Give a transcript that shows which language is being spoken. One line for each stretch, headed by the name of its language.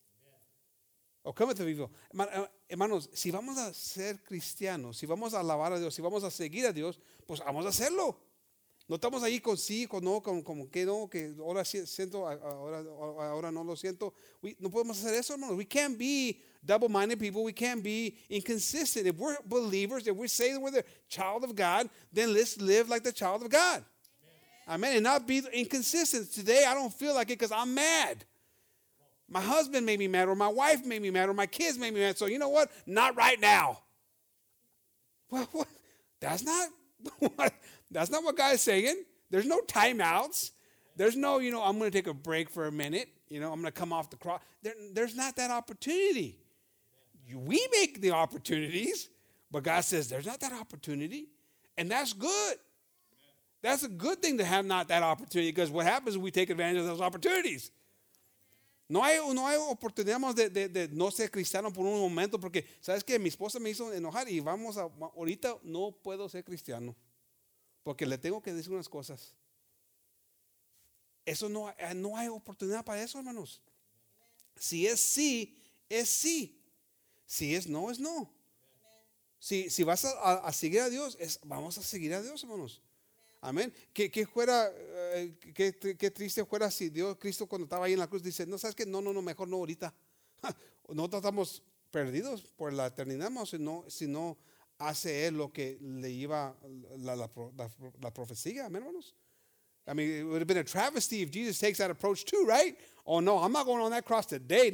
English: Amen. O cometh of evil.
Spanish: Hermanos, si vamos a ser cristianos, si vamos a alabar a Dios, si vamos a seguir a Dios, pues vamos a hacerlo. No estamos ahí con sí, con no, con que no, que ahora siento, ahora no lo siento. No podemos hacer eso, hermanos.
English: We can't be double-minded people. We can't be inconsistent. If we're believers, if we say that we're the child of God, then let's live like the child of God. Amen. Amen. And not be inconsistent. Today, I don't feel like it because I'm mad. My husband made me mad, or my wife made me mad, or my kids made me mad. So you know what? Not right now. Well, what? That's not what... That's not what God is saying. There's no timeouts. There's no, you know, I'm going to take a break for a minute. You know, I'm going to come off the cross. There's not that opportunity. We make the opportunities, but God says there's not that opportunity. And that's good. That's a good thing to have not that opportunity, because what happens is we take advantage of those opportunities.
Spanish: No hay oportunidad de no ser cristiano por un momento, porque sabes que mi esposa me hizo enojar y vamos a, ahorita no puedo ser cristiano. Porque le tengo que decir unas cosas. Eso no hay oportunidad para eso, hermanos. Si es sí, es sí. Si es no, es no. Si vas a seguir a Dios, vamos a seguir a Dios, hermanos. Amén. Qué triste fuera si Dios, Cristo, cuando estaba ahí en la cruz, dice, no, ¿sabes qué? No, mejor no ahorita. Nosotros estamos perdidos por la eternidad, hermanos, si no hace él lo que le iba la profecía, amén, hermanos.
English: I mean, it would have been a travesty if Jesus takes that approach too, right? Oh no, I'm not going on that cross today.